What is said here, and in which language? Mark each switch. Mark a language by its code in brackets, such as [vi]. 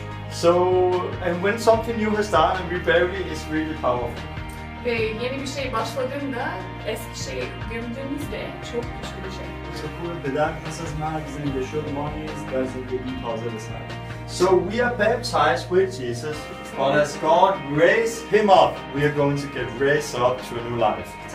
[en] So, and when something new has started and we bury it, it's really powerful. [tr] Ve yeni bir şey başladığında eski şeyi gömdüğümüzde çok güçlü bir şey. [en] So cool. The darkness is now visiting the short monies, guys, and getting closer to God. So we are baptized with Jesus, but as God raised him up, we are going to get raised up to a new life.